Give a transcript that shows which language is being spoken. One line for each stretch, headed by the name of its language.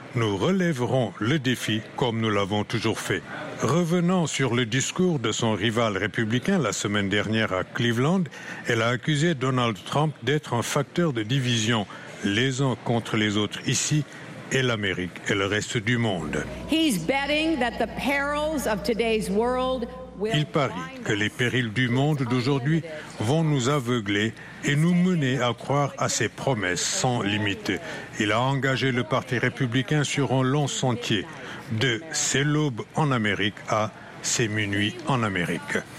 French: Nous relèverons le défi comme nous l'avons toujours fait. Revenant sur le discours de son rival républicain la semaine dernière à Cleveland, elle a accusé Donald Trump d'être un facteur de division, les uns contre les autres ici et l'Amérique et le reste du monde.
English: He's betting that the perils of today's world.
French: Il parie que les périls du monde d'aujourd'hui vont nous aveugler et nous mener à croire à ses promesses sans limite. Il a engagé le Parti républicain sur un long sentier, de c'est l'aube en Amérique à c'est minuit en Amérique.